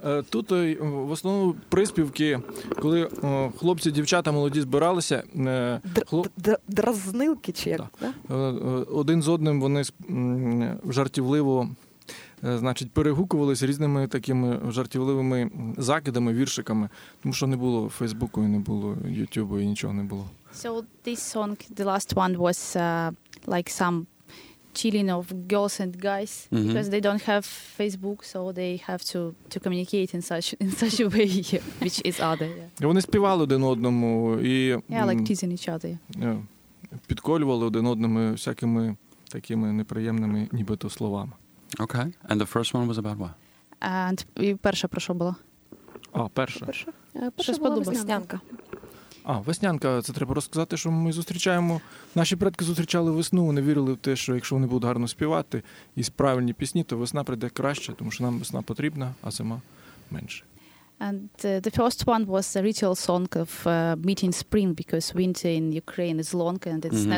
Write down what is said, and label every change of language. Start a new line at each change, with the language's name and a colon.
Ukrainian: Тут в основному приспівки, коли хлопці, дівчата, молоді збиралися. Дразнилки чи як? Один з одним вони жартівливо, значить, перегукувалися різними такими жартівливими закидами, віршиками, тому що не було Фейсбуку, не було Ютубу і нічого не було.
English: So this song, the last one, was like some chilling of girls and guys, mm-hmm. because they don't have Facebook, so they have to communicate in such a way, which is other. Yeah.
Ukrainian: Вони співали один одному і
English: like teasing each other.
Ukrainian: Підколювали один одному всякими такими неприємними нібито словами.
English: Okay, and the first one was about what?
Ukrainian: And і перша про що була? Перша була веснянка. Веснянка, це треба розказати, що ми зустрічаємо. Наші предки зустрічали весну, вони вірили в те, що якщо вони будуть гарно співати і правильні пісні, то весна прийде краще, тому що нам весна потрібна, а зима менше.
English: And the first one was the ritual song of meeting spring, because winter in Ukraine is long and it's mm-hmm.